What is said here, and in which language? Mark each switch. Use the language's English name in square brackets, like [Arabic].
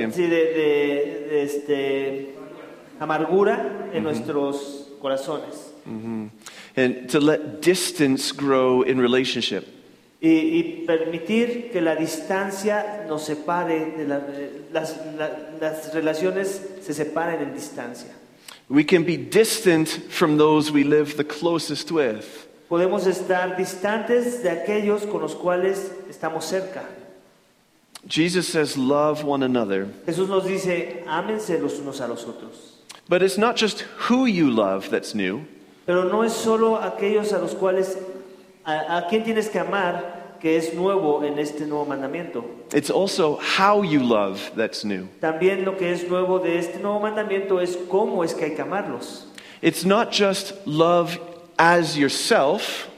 [Spanish] Sí, de este amargura en nuestros corazones. [English] And to let distance grow in relationship. [Spanish] Y permitir que la distancia nos separe, de las relaciones se separen en distancia. [English] We can be distant from those we live the closest with. [Spanish] Podemos estar distantes de aquellos con los cuales estamos cerca. [English] Jesus says, love one another. [Spanish] Jesús nos dice, ámense los unos a los otros. [English] But it's not just who you love that's new. [Spanish] Pero no es solo aquellos a los cuales, a quien tienes que amar, que es nuevo en este nuevo mandamiento. [English] It's also how you love that's new. [Spanish] También lo que es nuevo de este nuevo mandamiento es cómo es que hay que amarlos. [English] It's not just love as yourself.